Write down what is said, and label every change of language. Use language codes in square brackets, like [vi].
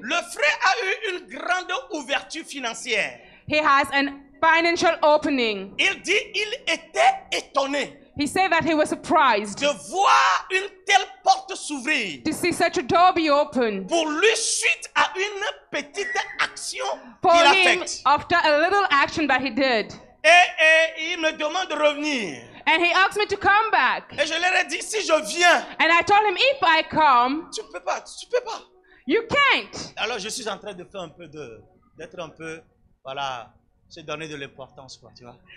[fr] Le frère a eu une grande ouverture financière. [en] He has a financial opening. [fr] Il dit il était étonné. [en] He said that he was surprised. [fr] De voir une telle porte s'ouvrir. [en] To see such a door be open. [fr] Pour lui suite à une petite action qu'il a faite. [en] After a little action that he did. [fr] Et il me demande de revenir. [en] And he asked me to come back. [fr] Et je leur ai dit si je viens. [en] And I told him if I come. [fr] Tu peux pas. [en] You can't. [fr] Alors je suis en train de faire un peu de d'être un peu. Voilà, c'est donner de l'importance, quoi, tu vois.